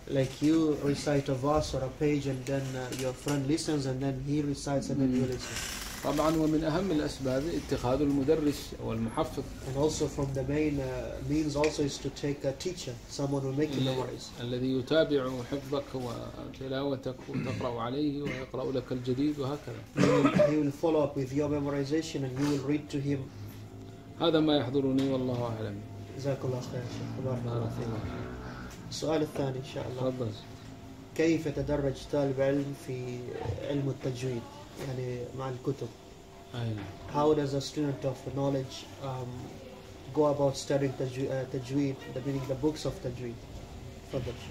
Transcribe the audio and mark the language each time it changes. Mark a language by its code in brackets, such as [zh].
[en] Like you recite a verse or a page and then your friend listens and then he recites and then you listen. [ar] طبعا ومن أهم الأسباب اتخاذ المدرس والمحفظ. [en] And also from the main means also is to take a teacher, someone who make the memories. [ar] الذي يتابع حفظك وتلاوتك وتقرأ عليه ويقرأ لك الجديد وهكذا. [en] He will follow up with your memorization and you will read to him. [ar] هذا ما يحضرني والله أعلم. جزاك الله خير شيخ، بارك الله فيك. السؤال الثاني إن شاء الله. تفضل. كيف تدرج طالب علم في علم التجويد؟ يعني مع الكتب. [en] How does a student of knowledge go about studying تجويد, the meaning the books of تجويد؟